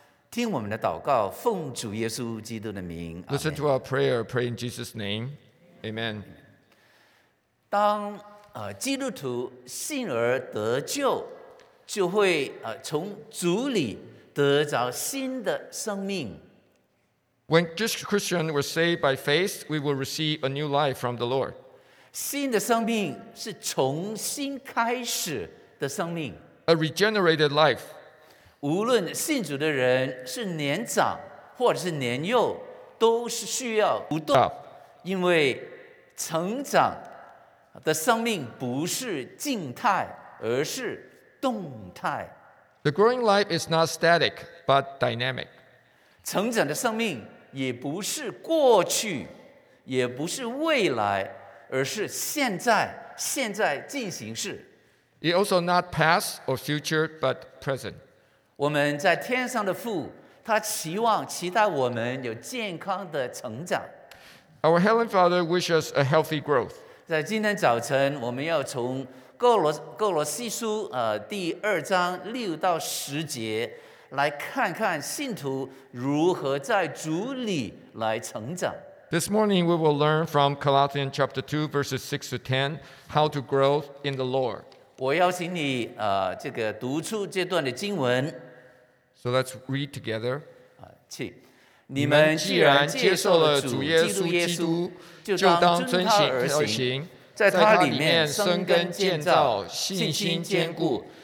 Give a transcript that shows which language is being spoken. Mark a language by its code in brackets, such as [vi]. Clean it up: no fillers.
[zh] 听我们的祷告，奉主耶稣基督的名。 [en] Listen to our prayer. Pray in Jesus' name. Amen. [zh] 当基督徒信而得救，就会从主里得着新的生命。 [en] When Christians were saved by faith, we will receive a new life from the Lord. [zh] 新的生命是重新开始的生命。 [en] A regenerated life. [zh] 无论信主的人是年长或者是年幼，都是需要不断，因为成长的生命不是静态，而是动态。 [en] The growing life is not static, but dynamic. [zh] 成长的生命也不是过去，也不是未来，而是现在，现在进行式。 [en] It also not past or future, but present. [zh] 我们在天上的父，他期望、期待我们有健康的成长。 [en] Our Heavenly Father wishes us a healthy growth. [zh] 在今天早晨，我们要从哥罗西书第二章六到十节来看看信徒如何在主里来成长。 [en] This morning we will learn from Colossians chapter 2 verses 6 to 10 how to grow in the Lord. [zh] 我邀请你这个读出这段的经文。 [en] So let's read together. [zh] 请。你们既然接受了主耶稣基督，就当遵行他而行，在他里面生根建造，信心坚固。